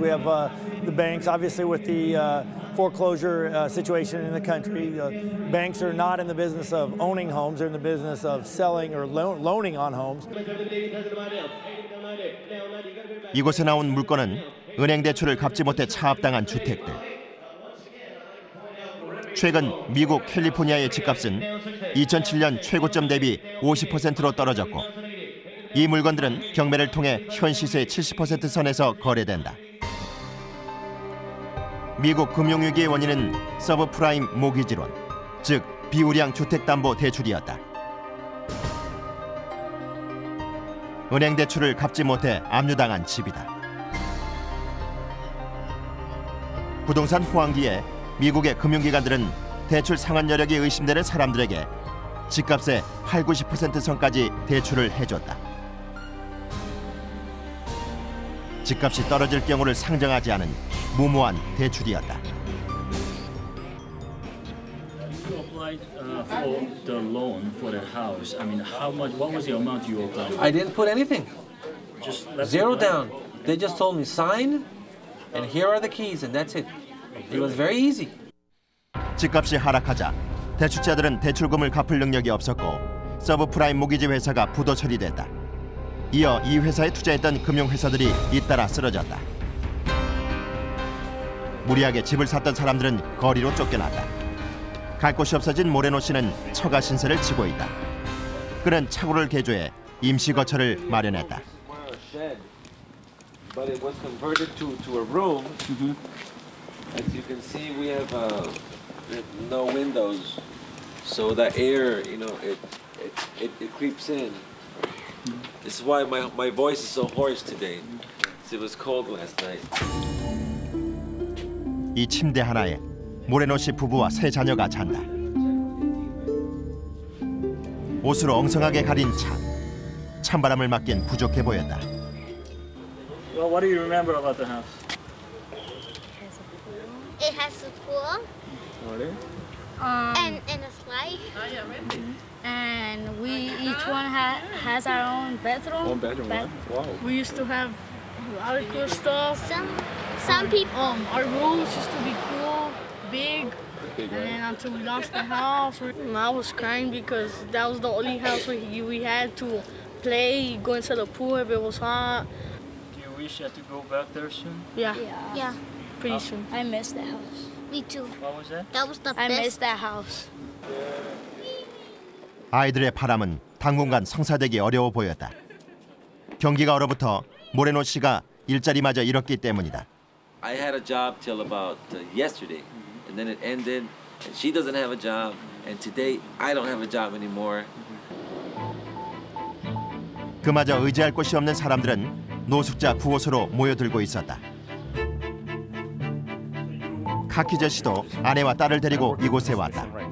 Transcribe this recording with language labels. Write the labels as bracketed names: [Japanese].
[English] We have the banks, obviously, with the foreclosure situation in the country. The banks are not in the business of owning homes. They're in the business of selling or loaning on homes. [Korean] 이곳에 나온 물건은 은행 대출을 갚지 못해 차압당한 주택들. 최근 미국 캘리포니아의 집값은 2007년 최고점 대비 50%로 떨어졌고 이 물건들은 경매를 통해 현 시세의 70% 선에서 거래된다. 미국 금융위기의 원인은 서브프라임 모기지론, 즉 비우량 주택담보 대출이었다. 은행 대출을 갚지 못해 압류당한 집이다. 부동산 호황기에 미국의 금융기관들은 대출 상환 여력이 의심되는 사람들에게 집값의 8, 90% 선까지 대출을 해줬다. 집값이 떨어질 경우를 상정하지 않은 무모한 대출이었다. [English] For the loan for the house, I mean, how much? What was the amount you applied for? I didn't put anything. Just zero down. They just told me sign, and here are the keys, and that's it. It was very easy. [Korean] 집값이 하락하자 대출자들은 대출금을 갚을 능력이 없었고 서브프라임 모기지 회사가 부도 처리됐다. 이어 이 회사에 투자했던 금융 회사들이 잇따라 쓰러졌다. 무리하게 집을 샀던 사람들은 거리로 쫓겨났다. 갈 곳이 없어진 모레노 씨는 처가 신세를 지고 있다. 그는 차고를 개조해 임시 거처를 마련했다. [English] But it was converted to a room. As you can see, we have no windows, so that air, you know, it creeps in. This is why my voice is so hoarse today. It was cold last night. [Korean] 이 침대 하나에 모레노 씨 부부와 세 자녀가 잔다. 옷으로 엉성하게 가린 찬. 찬바람을 맞긴 부족해 보였다. [English] Well, what do you remember about the house? It has a pool. And a slide. Oh, yeah, really? Mm-hmm. And we each one has our own bedroom. One bedroom, wow. We used to have a lot of cool stuff. Some people. Our rooms used to be cool. Big, and then until we lost the house, I was crying because that was the only house we had to play, go into the pool if it was hot. Do you wish you had to go back there soon? Yeah. Pretty soon. I missed that house. Me too. What was that? That was the best. I missed that house. [Korean] 아이들의 바람은 당분간 성사되기 어려워 보였다. 경기가 얼어붙어 모레노 씨가 일자리마저 잃었기 때문이다. [English] I had a job till about yesterday. And then it ended. And she doesn't have a job. And today I don't have a job anymore. [Korean] 그마저 의지할 곳이 없는 사람들은 노숙자 구호소로 모여들고 있었다. 카키저 씨도 아내와 딸을 데리고 이곳에 왔다.